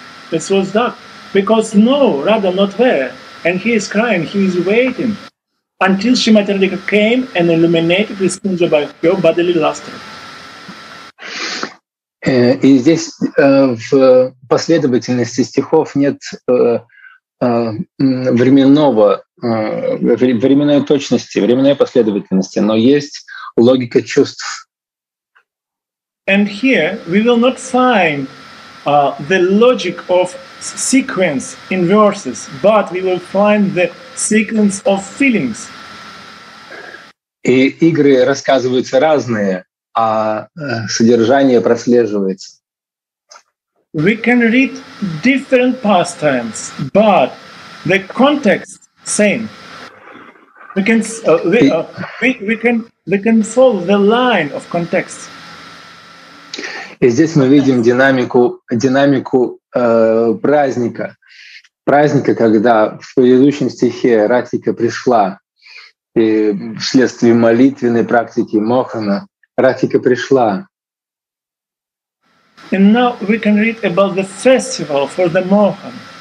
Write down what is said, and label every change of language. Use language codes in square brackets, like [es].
[en] This was dark because no Radha not there, and he is crying. He is waiting until Srimati Radhika came and illuminated this Kunja by her bodily luster. [ru] И здесь в последовательности стихов нет временного, временной точности, временной последовательности, но есть логика чувств. [en] And here we will not find the logic of sequence in verses, but we will find the sequence of feelings. [ru] И игры рассказываются разные, а содержание прослеживается. [en] We can read different pastimes, but the context same. We can follow the line of context. [ru] И здесь мы видим динамику праздника. Праздника, когда в предыдущем стихе Радхика пришла и вследствие молитвенной практики Мохана Радхика пришла. [en] And now we can read about the festival for the Mohan.